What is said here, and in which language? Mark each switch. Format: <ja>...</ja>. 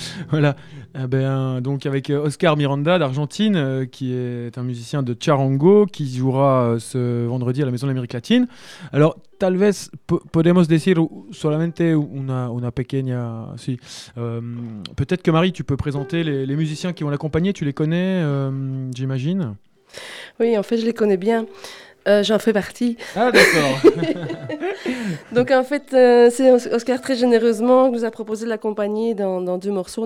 <fr>Voilà. Donc avec Oscar Miranda d'Argentine, qui est un musicien de charango, qui jouera ce vendredi à la Maison de l'Amérique latine.</fr> <es>Alors, tal vez podemos decir solamente una pequeña... Si.</es> <fr>Peut-être que Marie, tu peux présenter les musiciens qui vont l'accompagner. Tu les connais, j'imagine. Oui, en fait, je les connais bien. J'en fais partie. Ah, d'accord. Donc, en fait, c'est Oscar, très généreusement, qui nous a proposé de l'accompagner dans deux morceaux.</fr>